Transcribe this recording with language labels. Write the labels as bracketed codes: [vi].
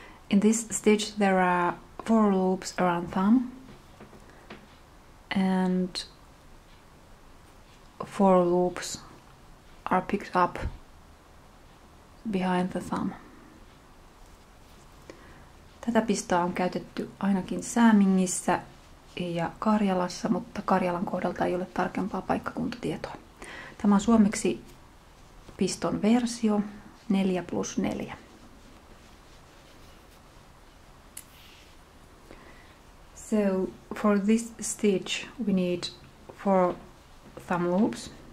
[en] In this stitch there are four loops around thumb and four loops are picked up behind the thumb. [fi] Tätä pistoa on käytetty ainakin Säämingissä ja Karjalassa, mutta Karjalan kohdalta ei ole tarkempaa paikkakuntatietoa. Tämä on suomeksi piston versio 4 plus 4. [en] So for this stitch we need four thumb loops.